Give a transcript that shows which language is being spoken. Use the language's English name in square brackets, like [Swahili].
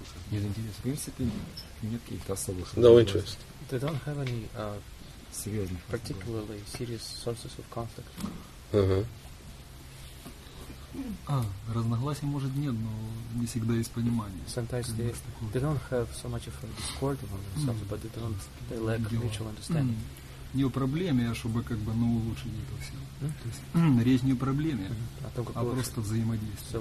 [Russian] Нет интереса. В принципе, нет каких-то особых. [English] No interest. They don't have any [Russian] серьезных, [English] particularly serious sources of conflict. [Russian] А, разногласий может нет, но не всегда есть понимание. [English] Sometimes they don't have so much of a discord among themselves, but they lack mutual understanding. [Russian] Не о проблеме, а чтобы как бы ну улучшить это все. Речь не о проблеме, а просто взаимодействие.